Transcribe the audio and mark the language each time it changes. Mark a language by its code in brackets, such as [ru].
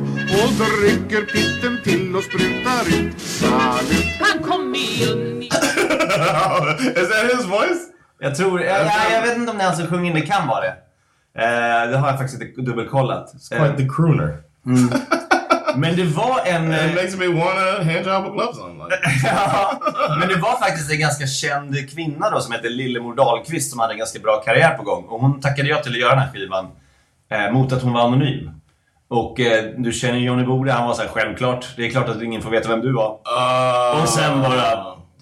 [sv] Och då rycker pitten till och sprutar ut salut. Han kom in. [en] Is that his voice? [sv] Jag tror, jag vet inte om det är han som sjunger in, det kan vara det. Det har jag faktiskt inte dubbelkollat. [en] It's quite the crooner. [sv] Mm. Men det var en... [en] It makes me wanna handjob with gloves on. Like. [sv] Men det var faktiskt en ganska känd kvinna då som heter Lillemor Dahlqvist som hade en ganska bra karriär på gång. Och hon tackade jag till att göra den här skivan mot att hon var anonym. Och du känner Johnny Bode, han var så här, självklart. Det är klart att ingen får veta vem du var. Och sen bara...